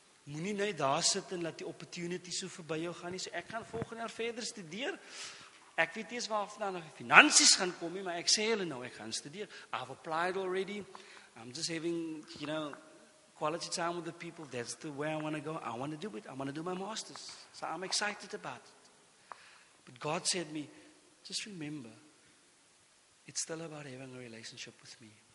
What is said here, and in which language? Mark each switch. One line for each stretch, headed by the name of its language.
Afrikaans: Moenie net daar sit en laat die opportunity so verby jou gaan nie. So ek gaan volgende jaar verder studeer. Ek weet nie waar vandaan die finansies gaan kom nie, maar ek sê hulle nou, ek gaan studeer.
English: I've applied already. I'm just having, you know, quality time with the people. That's the way I want to go. I want to do it. I want to do my master's. So I'm excited about it. But God said to me, just remember, it's still about having a relationship with me.